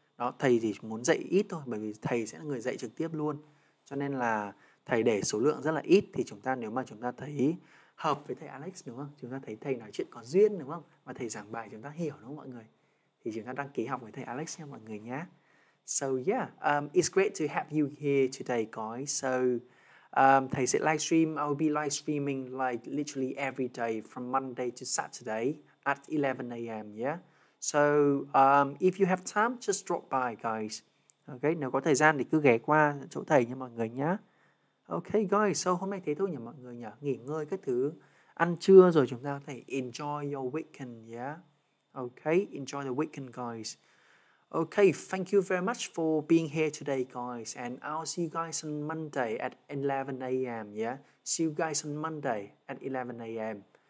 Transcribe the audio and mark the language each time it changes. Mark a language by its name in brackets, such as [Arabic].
[Vietnamese] Đó, thầy thì muốn dạy ít thôi, bởi vì thầy sẽ là người dạy trực tiếp luôn. Cho nên là thầy để số lượng rất là ít, thì chúng ta nếu mà chúng ta thấy hợp với thầy Alex đúng không? Chúng ta thấy thầy nói chuyện có duyên đúng không? Và thầy giảng bài chúng ta hiểu đúng không mọi người? Thì chúng ta đăng ký học với thầy Alex nha mọi người nhé. [English] So yeah, it's great to have you here today guys. So [Vietnamese] thầy sẽ live stream, [English] I'll be live streaming like literally every day from Monday to Saturday at 11 a.m. yeah. So if you have time, just drop by guys. [Vietnamese] Ok, nếu có thời gian thì cứ ghé qua chỗ thầy nha mọi người nhé. Ok guys, so hôm nay thế thôi nhỉ mọi người nhỉ. Nghỉ ngơi các thứ, ăn trưa rồi chúng ta có thể [English] enjoy your weekend yeah. Ok, enjoy the weekend guys. Ok, thank you very much for being here today guys. And I'll see you guys on Monday at 11 a.m. yeah. See you guys on Monday at 11 a.m.